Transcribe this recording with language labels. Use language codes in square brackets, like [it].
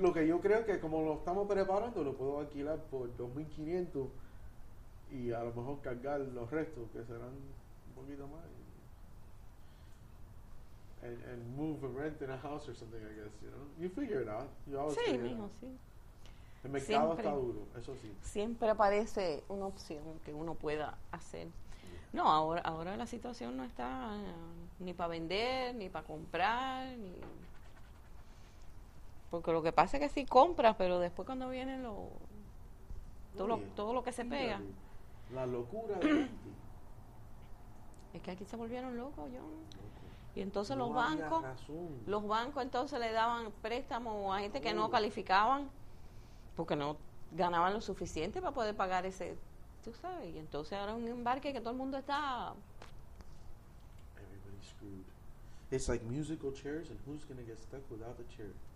[es] Lo que yo creo que como lo estamos preparando, lo puedo alquilar por 2,500 y a lo mejor cargar los restos, que serán un poquito más. [en] And move and rent in a house or something, I guess, you know. You figure it out. You always [es] sí, mijo, sí. El mercado siempre, está duro, eso sí. Siempre aparece una opción que uno pueda hacer. No, ahora la situación no está ni para vender, ni para comprar, ni porque lo que pasa es que sí compras, pero después cuando viene todo lo que se pega. La locura es que aquí se volvieron locos, John. Y entonces los bancos entonces le daban préstamos a gente que no calificaban. Porque no ganaban lo suficiente para poder pagar ese, tú sabes. Y entonces ahora un embarque que todo el mundo está. [en] Everybody's screwed. It's like musical chairs, and who's going to get stuck without the chair?